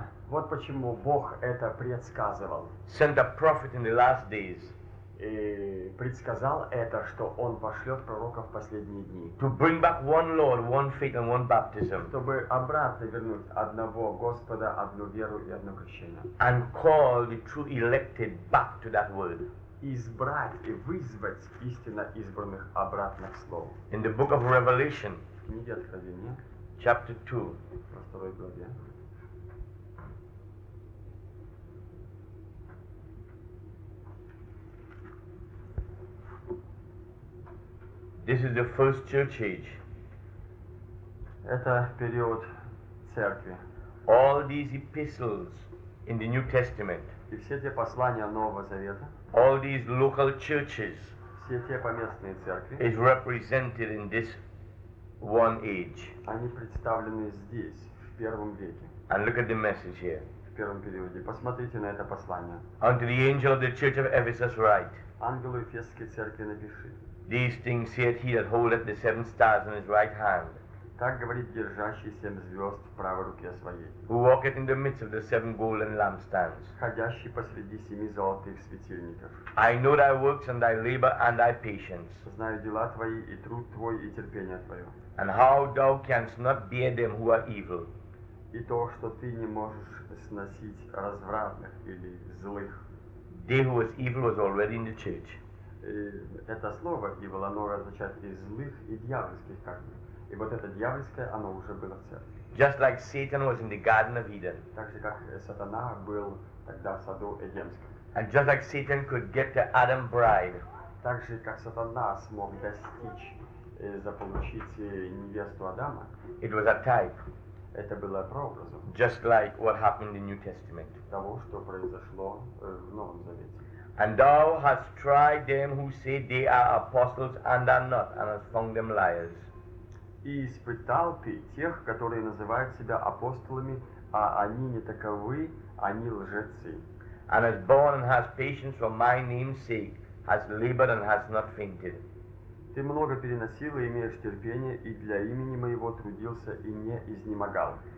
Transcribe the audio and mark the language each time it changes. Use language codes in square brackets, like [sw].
[ru] Вот почему Бог это предсказывал. [en] Sent a prophet in the last days. [ru] И предсказал это, что он пошлет пророка в последние дни. [en] To bring back one Lord, one faith and one baptism. [ru] Чтобы обратно вернуть одного Господа, одну веру и одно крещение. [en] And call the true elected back to that word. [ru] Избрать и вызвать истинно избранных обратно к слову. [en] In the book of Revelation. [ru] В книге Откровения. [en] Chapter 2. [ru] Во второй главе. [en] This is the first church age. [ru] Это период церкви. [en] All these epistles in the New Testament. [ru] И все те послания Нового Завета. [en] All these local churches. [ru] Все те поместные церкви. [en] Is represented in this one age. [ru] Они представлены здесь, в первом веке. [en] And look at the message here. [ru] В первом периоде. Посмотрите на это послание. [en] Unto the angel of the church of Ephesus write. [ru] Ангелу Эфесской церкви напиши. [en] These things saith he that holdeth the seven stars in his right hand. [ru] Так говорит держащий семь звезд в правой руке своей. [en] Who walketh in the midst of the seven golden lampstands. [ru] Ходящий посреди семи золотых светильников. [en] I know thy works and thy labor and thy patience. [ru] Знаю дела твои и труд твой и терпение твое. [en] And how thou canst not bear them who are evil. [ru] и то, что ты не можешь сносить развратных или злых. [en] Devil was evil was already in the church. [ru] Это слово evil, оно означает и злых, и дьявольских карма. И вот это дьявольское, оно уже было в церкви. [en] Just like Satan was in the Garden of Eden. [ru] Так же, как Сатана был тогда в саду Эдемском. [en] And just like Satan could get to Adam bride. [ru] Так же, как Сатана смог достичь и заполучить невесту Адама. [en] It was a type. [ru] Это было прообразом. [en] Just like what happened in the New Testament. [ru] Того, что произошло в Новом Завете. [en] And thou hast tried them who say they are apostles and are not, and hast found them liars. [ru] И испытал ты тех, которые называют себя апостолами, а они не таковы, они лжецы. [en] And hast borne and hast patience for my name's sake, hast labored and hast not fainted. [ru] Ты много переносил и имеешь терпение, и для имени моего трудился и не изнемогал.